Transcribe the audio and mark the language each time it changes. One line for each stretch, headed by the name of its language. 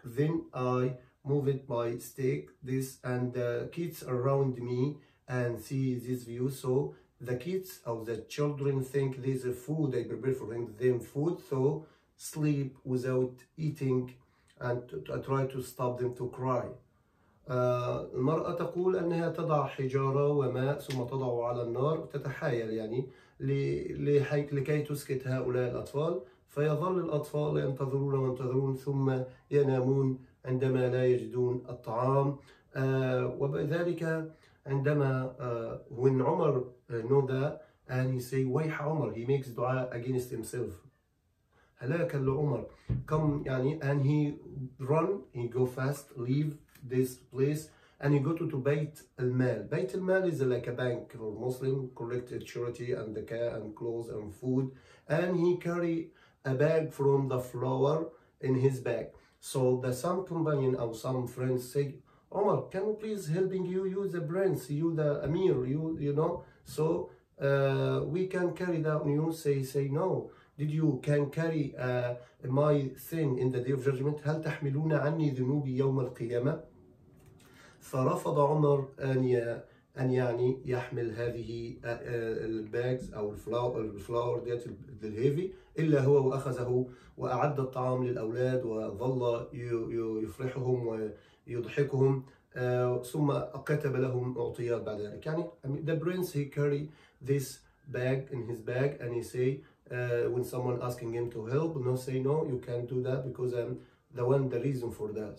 English: Then I move it by stick this, and the kids around me and see this view. So the kids or the children think this is food, I prepare for them food, so sleep without eating and to try to stop them to cry.
Arabic: المرأة تقول أنها تضع حجارة وماء ثم تضع على النار تتحايل يعني لكي تسكت هؤلاء الأطفال، فيظل الأطفال ينتظرون وينتظرون ثم ينامون عندما لا يجدون الطعام. وبذلك عندما
English: when Umar know that and he say
Arabic: ويح عمر,
English: he makes دعاء against himself,
Arabic: هلاك لعمر,
English: come يعني, and he run, he go fast, leave this place and he go to بيت المال. بيت المال is like a bank for Muslim, collect charity and the care and clothes and food, and he carry a bag from the flour in his bag. So the some companion or some friends say, Umar, can we please helping you? You the prince, you the Amir, you know. So we can carry that news. Say no. Did you can carry my sin in the day of judgment?
Arabic: هل تحملون عني ذنوبي يوم القيامة؟ فرفض عمر أن يعني يحمل هذه bags أو
English: الفلاور ديت الهيفي
Arabic: إلا هو وأخذه وأعد الطعام للأولاد وظل يفرحهم و يضحكهم ثم كتب لهم أعطيات بعد ذلك.
English: يعني the prince he carry this bag in his bag and he say when someone asking him to help, no, say no, you can't do that because I'm the one the reason for that.